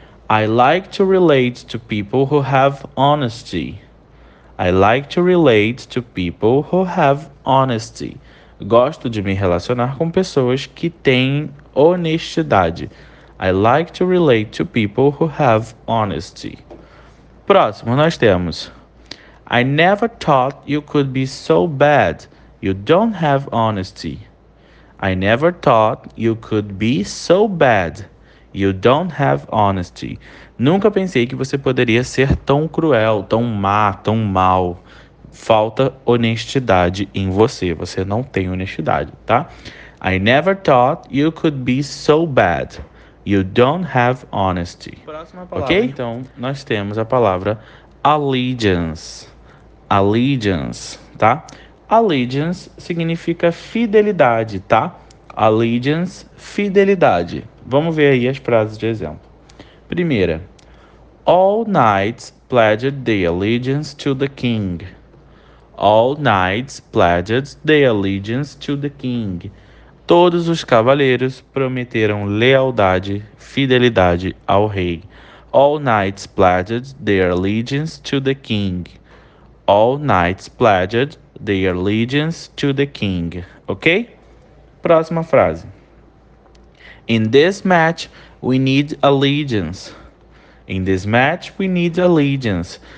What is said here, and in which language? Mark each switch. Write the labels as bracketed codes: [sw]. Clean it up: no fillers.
[en] I like to relate to people who have honesty. I like to relate to people who have honesty. [pt] Gosto de me relacionar com pessoas que têm honestidade. [en] I like to relate to people who have honesty. [pt] Próximo, nós temos. [en] I never thought you could be so bad. You don't have honesty. I never thought you could be so bad. You don't have honesty. [pt] Nunca pensei que você poderia ser tão cruel, tão má, tão mal. Falta honestidade em você. Você não tem honestidade, tá? [en] I never thought you could be so bad. You don't have honesty. [pt] Próxima palavra, Ok? então. Nós temos a palavra allegiance. Allegiance, tá? Allegiance significa fidelidade, tá? Allegiance, fidelidade. Vamos ver aí as frases de exemplo. Primeira. [en] All knights pledged their allegiance to the king. All knights pledged their allegiance to the king. [pt] Todos os cavaleiros prometeram lealdade, fidelidade ao rei. [en] All knights pledged their allegiance to the king. All knights pledged their allegiance to the king. Ok? [pt] Próxima frase. [en] In this match, we need allegiance. In this match, we need allegiance.